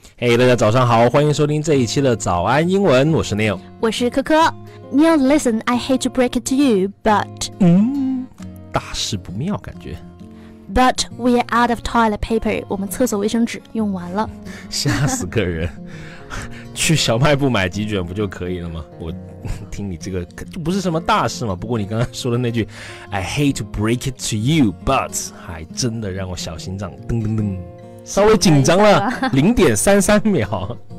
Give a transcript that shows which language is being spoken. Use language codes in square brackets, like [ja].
[zh] Hey, 大家早上好，欢迎收听这一期的早安英文，我是 Neil。我是柯柯。 [en] Neil, listen, I hate to break it to you, but [zh] 大事不妙感觉。 [en] But we are out of toilet paper, [zh] 我们厕所卫生纸用完了。吓死个人。去小卖部买几卷不就可以了吗？我听你这个就不是什么大事嘛。不过你刚刚说的那句 [en] I hate to break it to you, but [zh] 还真的让我小心脏噔噔噔稍微紧张了0.33秒。